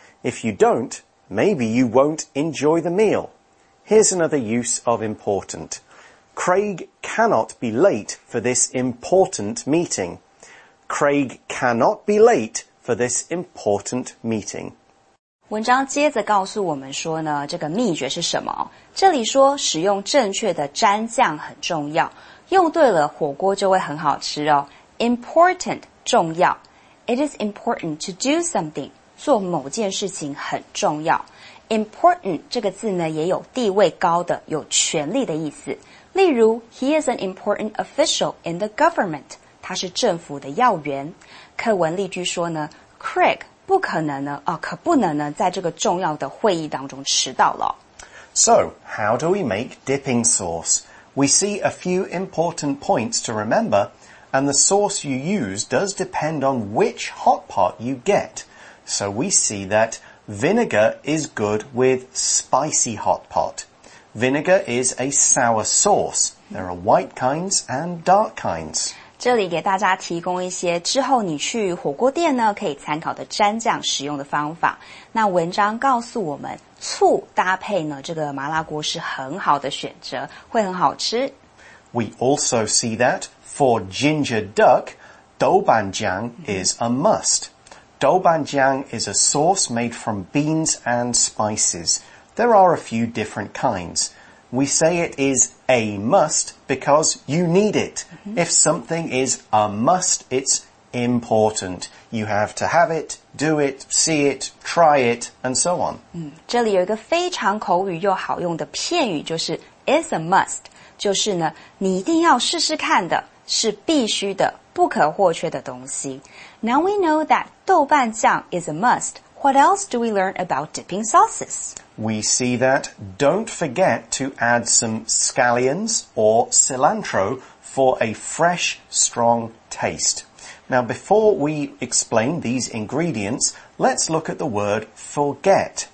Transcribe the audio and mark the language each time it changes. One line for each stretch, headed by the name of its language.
English: If you don't, maybe you won't enjoy the meal. Here's another use of important. Craig cannot be late for this important meeting. Craig cannot be late for this important meeting.
Chinese: 文章接着告诉我们说呢，这个秘诀是什么？这里说使用正确的蘸酱很重要，用对了火锅就会很好吃哦。 Important 重要。
English: It is important to do something
Chinese: 做某件事情很重要。 Important 这个字呢也有地位高的有权力的意思。例如
English: He is an important official in the government
Chinese: 他是政府的要员。课文例句说呢 Craig 不可能呢、哦、可不能呢在这个重要的会议当中迟到了。
English: So, how do we make dipping sauce? We see a few important points to remember and the sauce you use does depend on which hot pot you get. So we see thatVinegar is good with spicy hot pot. Vinegar is a sour sauce. There are white kinds and dark kinds.
Chinese: 这里给大家提供一些之后你去火锅店呢可以参考的蘸酱使用的方法。那文章告诉我们醋搭配呢这个麻辣锅是很好的选择会很好吃。
English: We also see that for ginger duck, 豆瓣酱 is a must. Doubanjiang is a sauce made from beans and spices. There are a few different kinds. We say it is a must because you need it. Mm-hmm. If something is a must, it's important. You have to have it, do it, see it, try it, and so on.
Chinese: 这里有一个非常口语又好用的片语就是
English: is a must,
Chinese: 就是呢你一定要试试看的是必须的不可或缺的东西。
English: Now we know that 豆瓣酱 is a must. What else do we learn about dipping sauces? We see that don't forget to add some scallions or cilantro for a fresh, strong taste. Now before we explain these ingredients, let's look at the word forget.